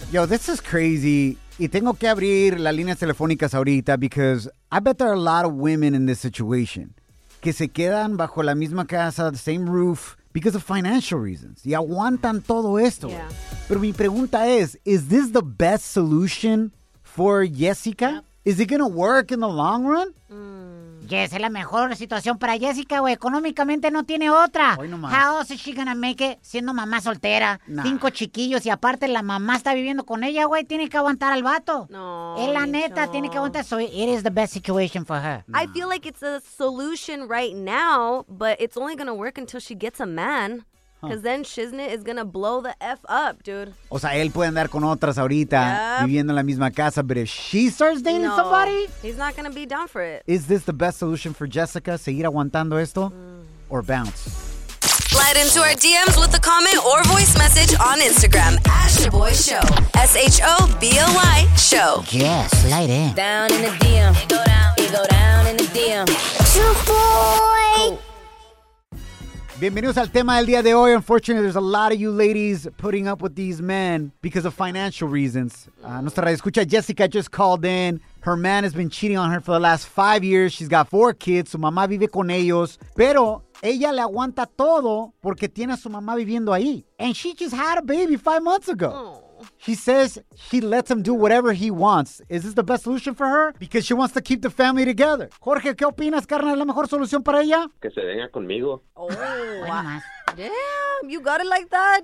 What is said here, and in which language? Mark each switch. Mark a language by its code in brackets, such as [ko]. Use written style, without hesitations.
[en] Dude. Yo, this is crazy. [es] Y tengo que abrir las líneas telefónicas ahorita [en] because I bet there are a lot of women in this situation [es] que se quedan bajo la misma casa, [en] the same roof, because of financial reasons. [es] Y aguantan todo esto. [en] Yeah. [es] Pero mi pregunta [en] is this the best solution for Jessica? Yep. Is it going to work in the long run? [es] Yes, es la mejor situación para Jessica, güey. Económicamente no tiene otra. [en] How else is she going to make it [es] siendo mamá soltera? [en] Nah. [es] 5 chiquillos y aparte la mamá está viviendo con ella, güey. Tiene que aguantar al vato. No. Es la neta, tiene que aguantar. [en] So it is the best situation for her. Nah. I feel like it's a solution right now, but it's only going to work until she gets a man. Because then Shiznit is going to blow the F up, dude. [es] O sea, él puede andar con otras ahorita, [en] yep, [es] viviendo en la misma casa, [en] but if she starts dating somebody, he's not going to be down for it. Is this the best solution for Jessica? [es] ¿Seguir aguantando esto? [en] Or bounce? Slide into our DMs with a comment or voice message on Instagram. At Shaboy Show. S-H-O-B-O-Y Show. Yeah, slide in. Down in the DM. It go down in the DM. Shaboy. Cool. [es] Bienvenidos al tema del día de hoy. [en] Unfortunately, there's a lot of you ladies putting up with these men because of financial reasons. [es] Nuestra radio escucha, [en] Jessica just called in. Her man has been cheating on her for the last 5 years. She's got 4 kids. [es] Su mamá vive con ellos. Pero ella le aguanta todo porque tiene a su mamá viviendo ahí. [en] And she just had a baby 5 months ago. She says he lets him do whatever he wants. Is this the best solution for her? Because she wants to keep the family together. [es] Jorge, ¿qué opinas, carnal? ¿La mejor solución para ella? Que se venga conmigo. [en] Oh, wow. Damn, you got it like that?